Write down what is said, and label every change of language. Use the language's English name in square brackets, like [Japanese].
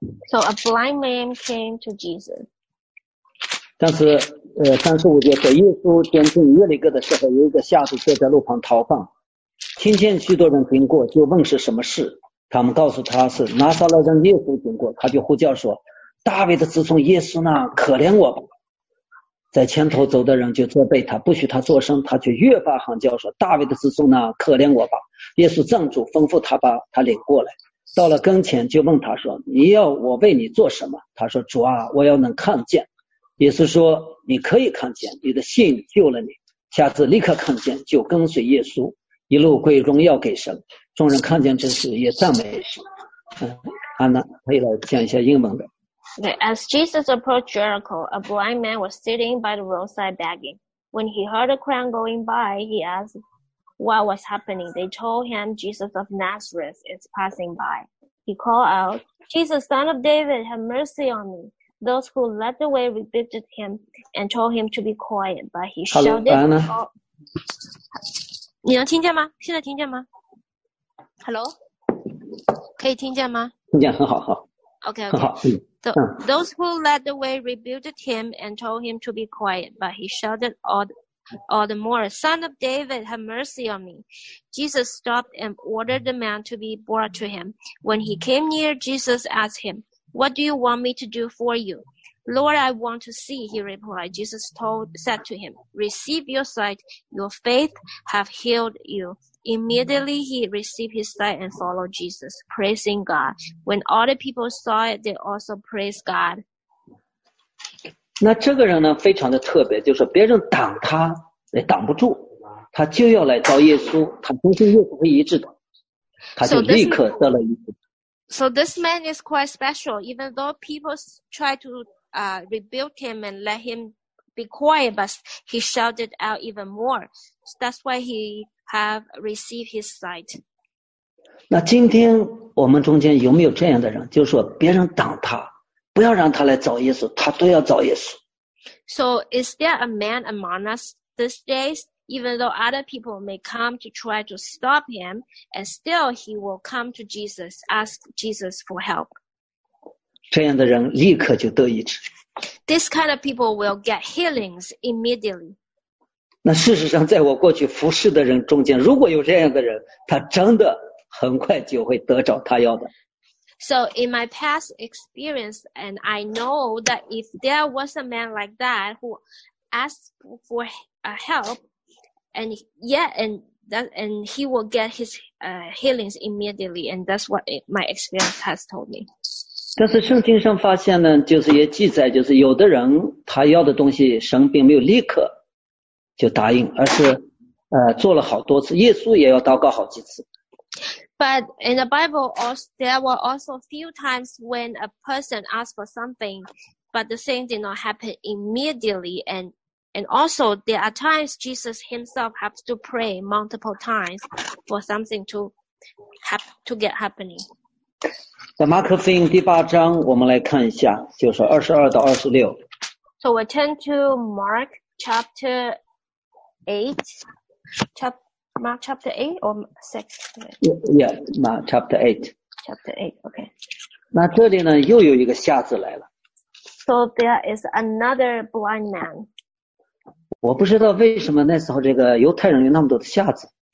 [English] So a blind man came to Jesus. [Chinese] 但是三十五节说，耶稣前进耶利哥的时候，有一个瞎子坐在路旁逃放，听见许多人经过，就问是什么事。他们告诉他是拿撒勒人耶稣经过，他就呼叫说，大卫的子孙耶稣呢，可怜我吧。在前头走的人就责备他，不许他作声，他却越发喊叫说，大卫的子孙呢，可怜我吧。耶稣站住，吩咐他把他领过来。到了跟前就问他说，你要我为你做什么？他说，主啊，我要能看见。耶稣说，你可以看见，你的信救了你。瞎子立刻看见，就跟随耶稣，一路归荣耀给神。众人看见这事也赞美神。安娜可以来讲一下英文的。 [English] As Jesus approached Jericho, a blind man was sitting by the roadside begging. When he heard a crowd going by, he askedWhat was happening? They told him Jesus of Nazareth is passing by. He called out, Jesus, son of David, have mercy on me. Those who led the way rebuked him and told him to be quiet, but he shouted. Hello, Anna. [Chinese] 你能听见吗？现在听见吗？ [English] Hello? [Chinese] 可以听见吗？听见很好哈。 [English] Okay, okay. [Chinese] 很好。 [English] So, those who led the way rebuked him and told him to be quiet, but he shouted all the more, Son of David, have mercy on me. Jesus stopped and ordered the man to be brought to him. When he came near, Jesus asked him, What do you want me to do for you? Lord, I want to see, he replied. Jesus said to him, Receive your sight. Your faith have healed you. Immediately he received his sight and followed Jesus, praising God. When all the people saw it, they also praised God. [Chinese] 那这个人呢非常的特别，就是别人挡他也挡不住，他就要来找耶稣，他相信耶稣会医治的，他就立刻得了医治。 [English] So this man is quite special. Even though people try to rebuke him and let him be quiet, but he shouted out even more. So that's why he have received his sight. [Chinese] 那今天我们中间有没有这样的人？就是说别人挡他，不要让他来找耶稣，他都要找耶稣。 [English] So is there a man among us these days? Even though other people may come to try to stop him, and still he will come to Jesus, ask Jesus for help. [Chinese] 这样的人立刻就得医治。 [English] This kind of people will get healings immediately. [Chinese] 那事实上，在我过去服侍的人中间，如果有这样的人，他真的很快就会得着他要的。 [English] So in my past experience, and I know that if there was a man like that who asked for help, and he will get his healings immediately, and that's what my experience has told me. [Chinese] 但是圣经上发现呢，就是也记载，就是有的人他要的东西，神并没有立刻就答应，而是做了好多次，耶稣也要祷告好几次。 [English] But in the Bible, there were also few times when a person asked for something, but the thing did not happen immediately. And also, there are times Jesus himself has to pray multiple times for something to get happening. [Chinese] 在马可福音第八章，我们来看一下，就是22-26。 [English] So we turn to Mark chapter 8, Mark chapter 8 or 6? Yeah, Mark chapter 8. Chapter 8, okay. [Chinese] 那这里呢，又有一个瞎子来了。 [English] So there is another blind man. [Chinese] 我不知道为什么那时候这个犹太人有那么多的瞎子。